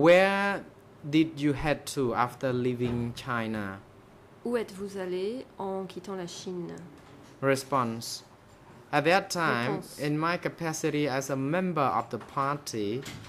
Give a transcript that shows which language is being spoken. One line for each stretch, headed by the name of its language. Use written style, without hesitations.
English: Where did you head to after leaving China?
French: Où êtes-vous allé en quittant la Chine?
English: Response. At that time,
French: réponse.
English: In my capacity as a member of the party,